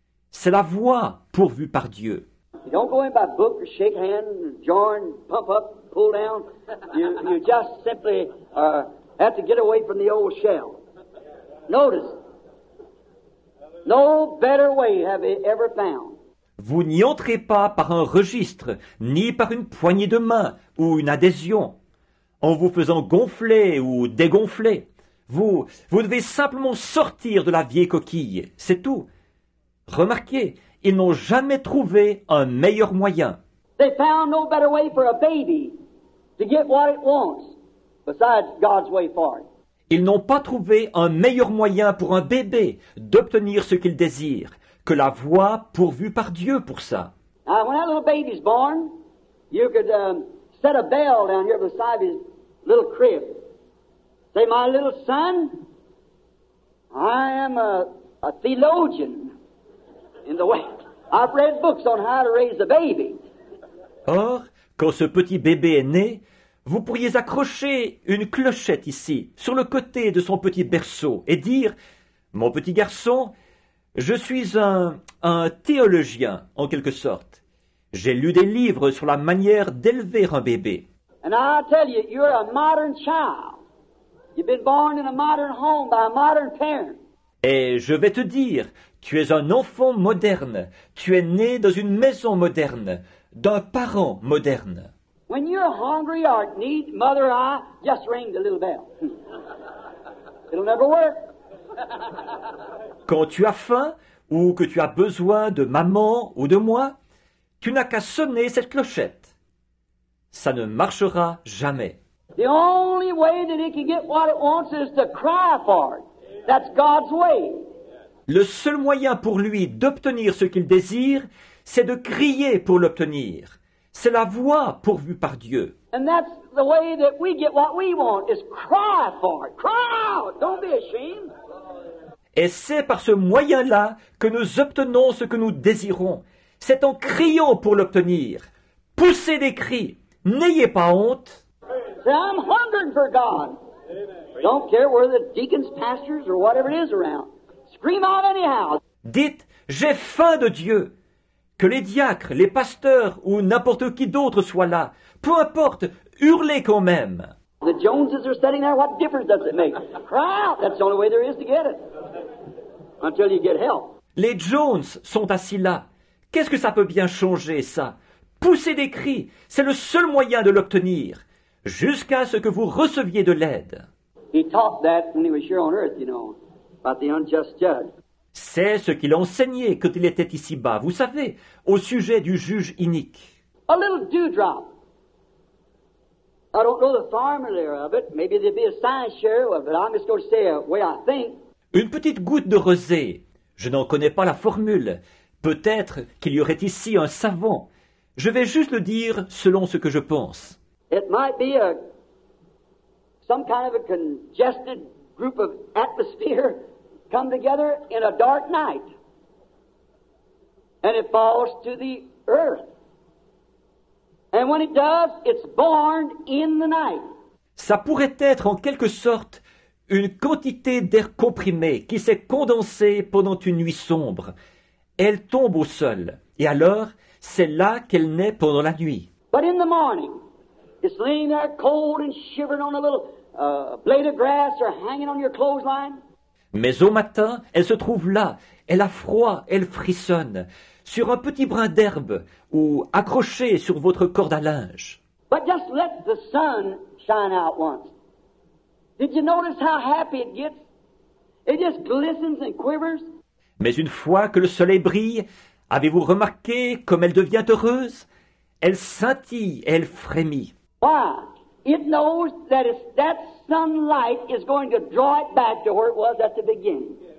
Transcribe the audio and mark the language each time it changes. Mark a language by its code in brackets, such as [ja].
[fr] C'est la voie pourvue par Dieu. [en] You don't go in by book or shake hand, join, pump up, pull down. You just simply have to get away from the old shell. Notice, no better way have you ever found. [fr] Vous n'y entrez pas par un registre, ni par une poignée de main ou une adhésion, en vous faisant gonfler ou dégonfler. Vous devez simplement sortir de la vieille coquille, c'est tout. Remarquez, ils n'ont jamais trouvé un meilleur moyen. [en] They found no better way for a baby to get what it wants besides God's way for it. [fr] Ils n'ont pas trouvé un meilleur moyen pour un bébé d'obtenir ce qu'il désire que la voie pourvue par Dieu pour ça. [en] Now, when that little baby's born, you could set a bell down here beside his little crib. Say, my little son, I am a theologian. In the way, I've read books on how to raise a baby. [fr] Or, quand ce petit bébé est né, vous pourriez accrocher une clochette ici, sur le côté de son petit berceau, et dire, mon petit garçon, je suis un théologien, en quelque sorte. J'ai lu des livres sur la manière d'élever un bébé. [en] And I tell you, you're a modern child. You've been born in a modern home by a modern parent. [fr] Et je vais te dire, tu es un enfant moderne, tu es né dans une maison moderne, d'un parent moderne. [en] When you're hungry or need, mother, I just ring the little bell. It'll never work. [fr] Quand tu as faim ou que tu as besoin de maman ou de moi, tu n'as qu'à sonner cette clochette. Ça ne marchera jamais. [en] The only way that it can get what it wants is to cry for it. That's God's way. [fr] Le seul moyen pour lui d'obtenir ce qu'il désire, c'est de crier pour l'obtenir. C'est la voie pourvue par Dieu. [en] And that's the way that we get what we want, is cry for it. Cry out! Don't be ashamed. [fr] Et c'est par ce moyen-là que nous obtenons ce que nous désirons. C'est en criant pour l'obtenir. Poussez des cris. N'ayez pas honte. [en] Say, I'm hungering for God. Don't care where the deacons, pastors, or whatever it is around. Scream out anyhow. [fr] Dites, j'ai faim de Dieu. Que les diacres, les pasteurs ou n'importe qui d'autre soit là. Peu importe, hurlez quand même. [en] The Joneses are sitting there. What difference does it make? Cry out. That's the only way there is to get it. Until you get help. [fr] Les Jones sont assis là. Qu'est-ce que ça peut bien changer, ça? Poussez des cris. C'est le seul moyen de l'obtenir. Jusqu'à ce que vous receviez de l'aide. [en] He taught that when he was here on earth, you know, about the unjust judge. [fr] C'est ce qu'il enseignait quand il était ici-bas, vous savez, au sujet du juge inique. [en] A little dewdrop. I don't know the formula of it. Maybe there'd be a science share, but I'm just going to say the way I think. [fr] Une petite goutte de rosée, Je n'en connais pas la formule. Peut-être qu'il y aurait ici un savant. Je vais juste le dire selon ce que je pense. [en] It might be some kind of a congested group of atmosphere come together in a dark night. And it falls to the earth. And when it does, it's born in the night. [fr] Ça pourrait être en quelque sorte une quantité d'air comprimé qui s'est condensée pendant une nuit sombre. Elle tombe au sol, et alors, c'est là qu'elle naît pendant la nuit. [en] But in the morning, it's laying there cold and shivering on a little blade of grass or hanging on your clothesline. [fr] Mais au matin, elle se trouve là, elle a froid, elle frissonne, sur un petit brin d'herbe ou accrochée sur votre corde à linge. [en] But just let the sun shine out once. Did you notice how happy it gets? It just glistens and quivers. [fr] Mais une fois que le soleil brille, avez-vous remarqué comme elle devient heureuse? Elle scintille et elle frémit. [en] Why? It knows that if that sunlight is going to draw it back to where it was at the beginning.